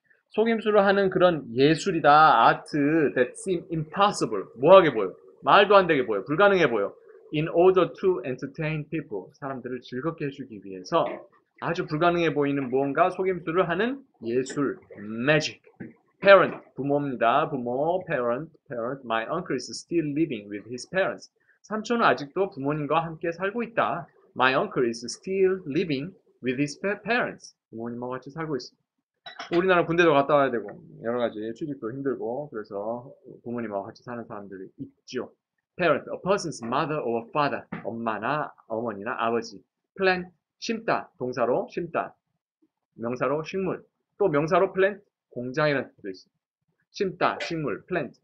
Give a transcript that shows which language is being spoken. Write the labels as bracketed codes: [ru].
[ko] 속임수를 하는 그런 예술이다. [en] Art that seem impossible. [ko] 뭐하게 보여? 말도 안 되게 보여. 불가능해 보여. [en] In order to entertain people. [ko] 사람들을 즐겁게 해주기 위해서 아주 불가능해 보이는 무언가 속임수를 하는 예술. [en] Magic. Parent. 부모입니다. 부모. Parent. Parent. My uncle is still living with his parents. [ko] 삼촌은 아직도 부모님과 함께 살고 있다. [en] My uncle is still living with his parents. [ko] 부모님과 같이 살고 있어. 우리나라 군대도 갔다 와야 되고 여러 가지 취직도 힘들고 그래서 부모님과 같이 사는 사람들이 있죠. [en] Parent. A person's mother or father. [ko] 엄마나 어머니나 아버지. Plant. 심다. 동사로 심다. 명사로 식물. 또 명사로 plant. 공장이라는 뜻도 있어. 심다. 식물. Plant.